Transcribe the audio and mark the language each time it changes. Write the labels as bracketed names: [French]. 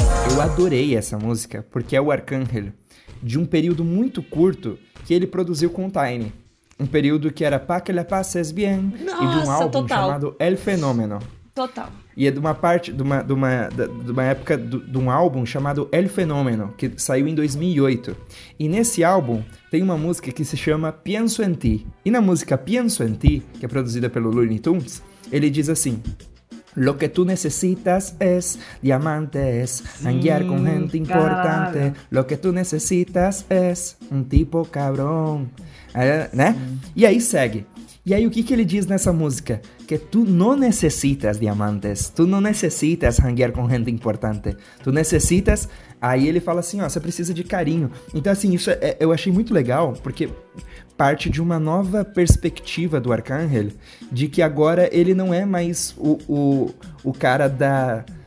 [Portuguese] Eu adorei essa música, porque é o Arcángel, de um período muito curto que ele produziu com o Time. Um período que era Pa que la pases bien. Nossa, e de um álbum total. Chamado El Fenómeno. Total. E é de uma parte, de uma época, de um álbum chamado El Fenómeno, que saiu em 2008. E nesse álbum tem uma música que se chama Pienso en Ti. E na música Pienso en Ti, que é produzida pelo Looney Tunes, ele diz assim: [Spanish] Lo que tú necesitas es diamantes, hanguear con gente importante. Lo que tú necesitas es un tipo cabrón. [Portuguese] Né? E aí segue. E aí, o que ele diz nessa música? Que tu não necessitas diamantes, tu não necessitas hanguear com gente importante, tu necessitas... Aí ele fala assim, ó, você precisa de carinho. Então, assim, isso eu achei muito legal, porque parte de uma nova perspectiva do Arcángel, de que agora ele não é mais o cara da...